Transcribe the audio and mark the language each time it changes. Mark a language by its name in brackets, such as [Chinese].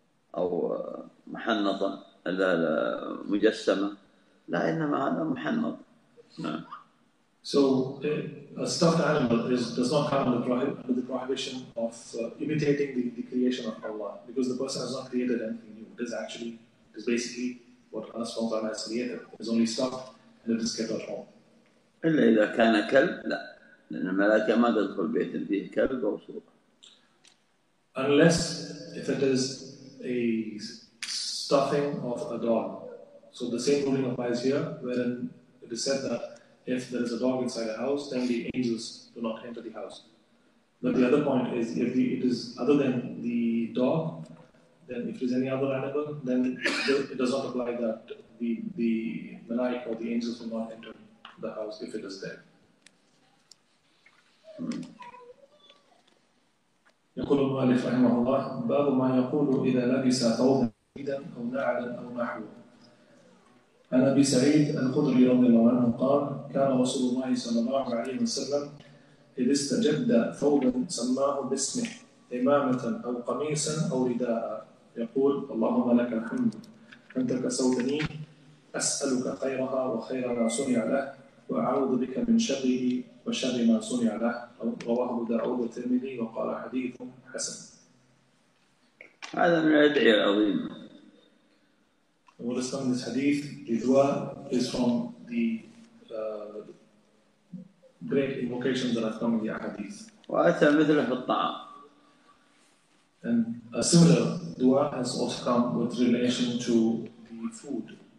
[Arabic] أو محنطة إذا مجسمة، لا إنما هذا محنط. [English] So a stuffed animal does not come under the prohibition of imitating the creation of Allah, because the person has not created anything new. It is basically what Allah subhanahu wa ta'ala has created. It is only stuffed and it is kept at home. [Arabic] إلا إذا كان كلب، لا، لأن الملائكة ما تدخل بيت فيه كلب أو صورة. [English] Unless if it is a stuffing of a dog. So the same ruling applies here, wherein it is said that if there is a dog inside a house, then the angels do not enter the house. But the other point is, if it is other than the dog, then if it is any other animal, then it does not apply that the malaik or the angels will not enter the house if it is there. [Arabic] يقول المؤلف رحمه الله باب ما يقول إذا لبس ثوبا جديدا أو نعلا أو نحوه. عن أبي سعيد الخدري رضي الله عنه قال كان رسول الله صلى الله عليه وسلم إذا استجد ثوبا سماه باسمه إمامة أو قميصا أو رداء يقول اللهم لك الحمد أنت كسوتني أسألك خيرها وخير ما صنع له وأعوذ بك من شره وشر ما صنع له. رواه أبو داود والترمذي وقال حديث حسن. هذا من الأدعية العظيمة. [English] We'll explain this hadith. The dua is from the great invocations that have come in the hadith. [Arabic] وأتى مثله في الطعام. [English] And a similar dua has also come with relation to the food.